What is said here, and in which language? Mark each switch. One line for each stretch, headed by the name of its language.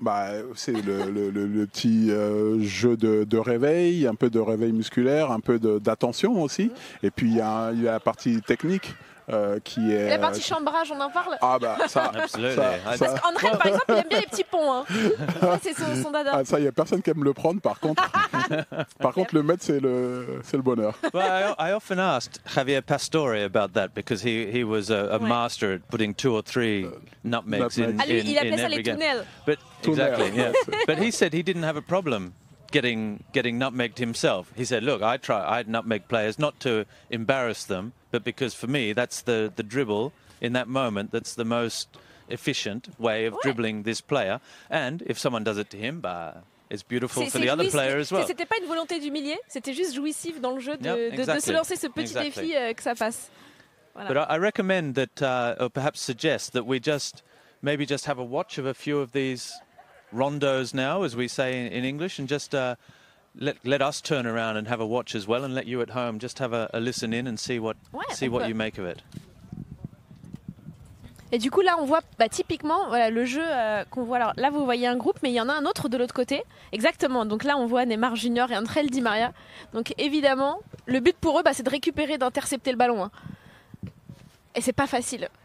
French: Bah, c'est le petit jeu de réveil, un peu de réveil musculaire, un peu d'attention aussi. Mmh. Et puis, il y a la partie technique. qui est... Et la partie chambrage, on en parle. Ah bah ça, absolument. Parce qu'André, par exemple, il aime bien les petits ponts. Hein. C'est son dada. Ah, ça, il n'y a personne qui aime le prendre, par contre. Par contre, le mettre, c'est le bonheur.
English: Well, I often asked Javier Pastore about that, because he was a master at putting two or three nutmegs in every game.
French: Il appelait ça les tunnels.
English: But, exactly, yes. But he said he didn't have a problem getting nutmegged himself. He said, look, I'd nutmeg players not to embarrass them, but because for me that's the dribble in that moment, that's the most efficient way of dribbling this player. And if someone does it to him, bah, it's beautiful for the other player as well.
French: C'était pas une volonté d'humilier, c'était juste jouissif dans le jeu de se lancer ce petit défi que ça passe. Voilà.
English: But I recommend that, or perhaps suggest that we just have a watch of a few of these rondos now, as we say in English, and just let us turn around and have a watch as well, and let you at home just have a listen in and see what you make of it.
French: Et du coup là on voit typiquement voilà le jeu qu'on voit. Alors là vous voyez un groupe, mais il y en a un autre de l'autre côté. Exactement. Donc là on voit Neymar Junior et André Di Maria. Donc évidemment le but pour eux c'est de récupérer, d'intercepter le ballon. Hein. Et c'est pas facile.